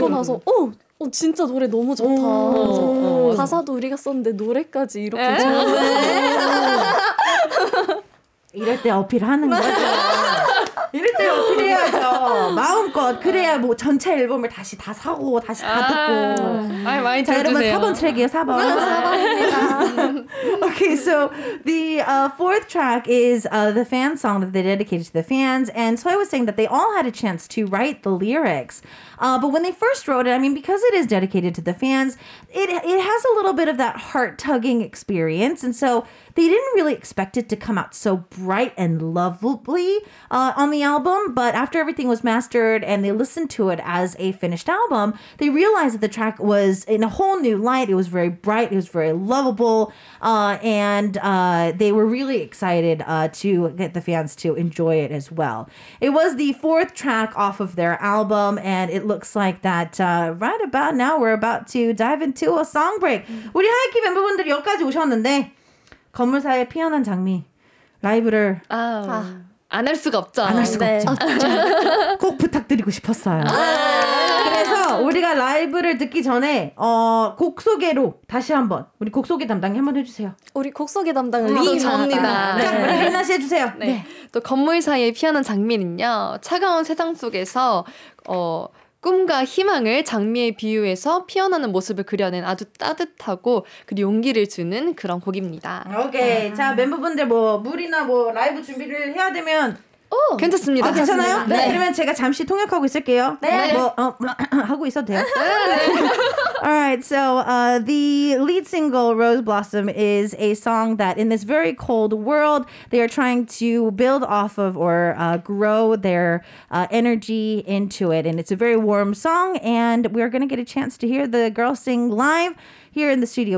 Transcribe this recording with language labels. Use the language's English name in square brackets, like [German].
[Korean] 듣고 나서 진짜 노래 너무 좋다 그래서, 가사도 우리가 썼는데 노래까지 이렇게 좋네 이럴 때 어필하는 거죠 이럴 때 어필해야죠. 마음껏 그래야 뭐 전체 앨범을 다시 다 사고 다시 다 듣고. 아이 많이 자 여러분 4번 트랙이에요. 4번. 4번입니다. [English] Okay, so the fourth track is the fan song that they dedicated to the fans. And so I was saying that they all had a chance to write the lyrics. But when they first wrote it, I mean, because it is dedicated to the fans, it has a little bit of that heart-tugging experience. And so they didn't really expect it to come out so bright and lovely on the album. But after everything was mastered and they listened to it as a finished album, they realized that the track was in a whole new light. It was very bright. It was very lovable. They were really excited to get the fans to enjoy it as well. It was the fourth track off of their album, and it looks like that right about now we're about to dive into a song break. [Korean] 우리 하이키 멤버분들이 여기까지 오셨는데 건물사에 피어난 장미 라이브를 안 할 수가 없죠. 안 할 수가 없죠. 꼭 부탁드리고 싶었어요. 그래서 우리가 라이브를 듣기 전에 곡 소개로 다시 한번 우리 곡 소개 담당이 한번 해주세요. 우리 곡 소개 담당은 리나 저입니다. 네. 자, 우리 리나 씨 해주세요. 네. 네. 또 건물 사이에 피하는 장미는요, 차가운 세상 속에서 꿈과 희망을 장미에 비유해서 피어나는 모습을 그려낸 아주 따뜻하고 그리고 용기를 주는 그런 곡입니다. 오케이. 자, 멤버분들 뭐 물이나 뭐 라이브 준비를 해야 되면 오, 괜찮습니다. 아, 괜찮아요? 네. 그러면 제가 잠시 통역하고 있을게요. 네. 하고 있어도 돼요? 네. [English] Alright, so the lead single, Rose Blossom, is a song that in this very cold world, they are trying to build off of or grow their energy into it. And it's a very warm song, and we're going to get a chance to hear the girls sing live here in the studio.